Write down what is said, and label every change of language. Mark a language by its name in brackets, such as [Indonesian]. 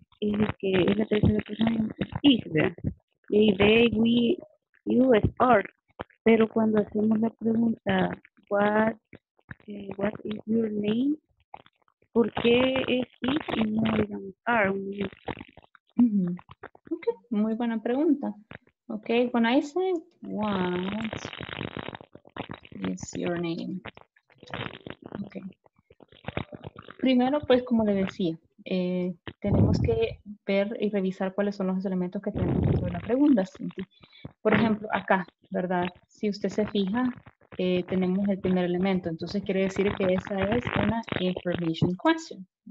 [Spanish] Es la tercera persona, is, ¿verdad? Y they, we, you, es are. Pero cuando hacemos la pregunta, [English] what is your name? [Spanish] ¿Por qué es it y no digamos are? Mm-hmm. Ok, muy buena pregunta. [English] Ok, when I say what is your name? Okay. [Spanish] Primero, pues, como le decía, tenemos que ver y revisar cuáles son los elementos que tenemos dentro de la pregunta. ¿Sí? Por ejemplo, acá, ¿verdad? Si usted se fija, tenemos el primer elemento. Entonces, quiere decir que esa es una information question.